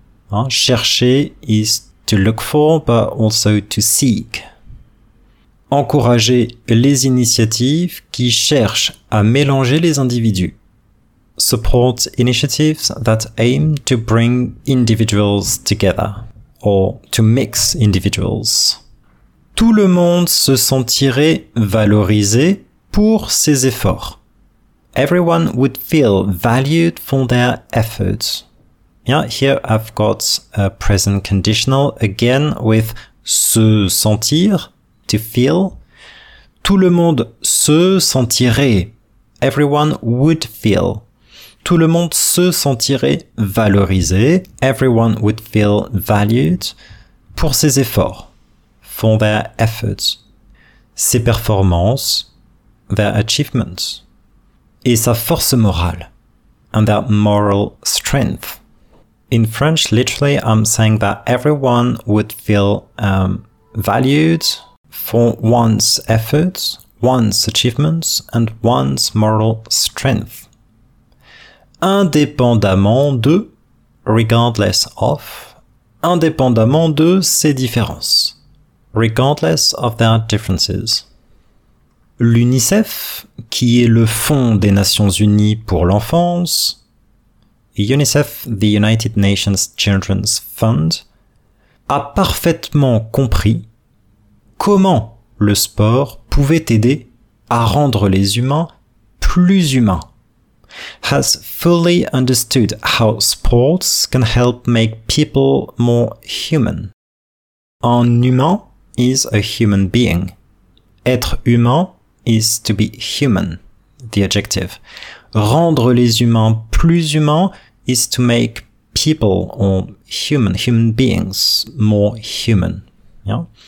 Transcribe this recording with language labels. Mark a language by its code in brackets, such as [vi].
[en] Hein, chercher is to look for, but also to seek. [fr] Encourager les initiatives qui cherchent à mélanger les individus. [en] Support initiatives that aim to bring individuals together, or to mix individuals. [fr] Tout le monde se sentirait valorisé pour ses efforts. [en] Everyone would feel valued for their efforts. Yeah, here I've got a present conditional again with se sentir, to feel. [fr] Tout le monde se sentirait. [en] Everyone would feel. [fr] Tout le monde se sentirait valorisé. [en] Everyone would feel valued [fr] pour ses efforts. [en] For their efforts. [fr] Ses performances, [en] their achievements. [fr] Et sa force morale, [en] and their moral strength. In French, literally, I'm saying that everyone would feel valued for one's efforts, one's achievements, and one's moral strength. [fr] Indépendamment de, [en] regardless of, [fr] indépendamment de ses différences, [en] regardless of their differences. [fr] L'UNICEF, qui est le fonds des Nations Unies pour l'enfance, UNICEF, [en] the United Nations Children's Fund, [fr] a parfaitement compris comment le sport pouvait aider à rendre les humains plus humains. [en] Has fully understood how sports can help make people more human. [fr] Un humain [en] is a human being. [fr] Être humain [en] is to be human, the adjective. [fr] Rendre les humains plus humains [en] is to make people or human beings more human. Yeah?